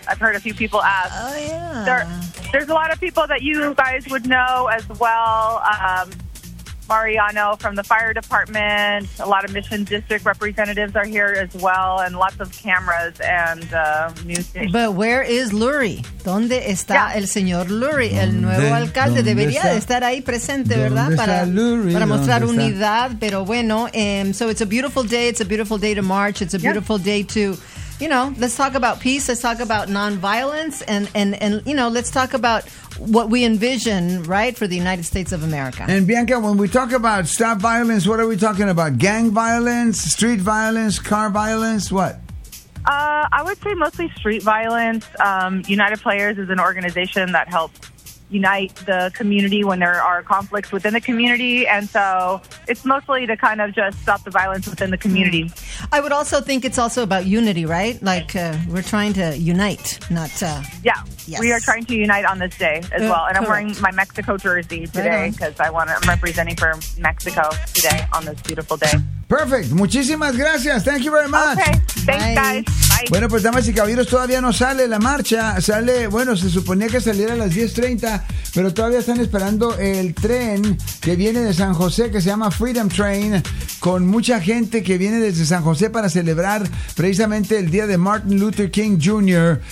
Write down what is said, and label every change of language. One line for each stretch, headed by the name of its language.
English: I've heard a few people ask. Oh, yeah. There's a lot of people that you guys would know as well. Mariano from the fire department, a lot of Mission District representatives are here as well, and lots of cameras and news stations. But where is Lurie?
Spanish: ¿Dónde está el señor Lurie, el nuevo alcalde? Debería de estar ahí presente, ¿verdad? Para mostrar unidad, pero bueno.
English: So it's a beautiful day. It's a beautiful day to march. It's a beautiful day to... You know, let's talk about peace. Let's talk about nonviolence. And you know, let's talk about what we envision, right, for the United States of America. And Bianca, when we talk about stop violence, what are we talking about? Gang violence, street violence, car violence, what? I would say mostly street violence. United Players is an organization that helps unite the community when there are conflicts within the community, and so it's mostly to kind of just stop the violence within the community. I would also think it's also about unity, right? Like we're trying to unite, not we are trying to unite on this day as well, and I'm wearing my Mexico jersey today because I'm representing for Mexico today on this beautiful day. Perfect.
Spanish: Muchísimas gracias.
English: Thank you very much. Okay. Thanks, guys. Bye.
Spanish: Bueno, pues, damas y caballeros, todavía no sale la marcha. Sale, bueno, se suponía que saliera a las 10:30, pero todavía están esperando el tren que viene de San José, que se llama Freedom Train, con mucha gente que viene desde San José para celebrar precisamente el día de Martin Luther King Jr.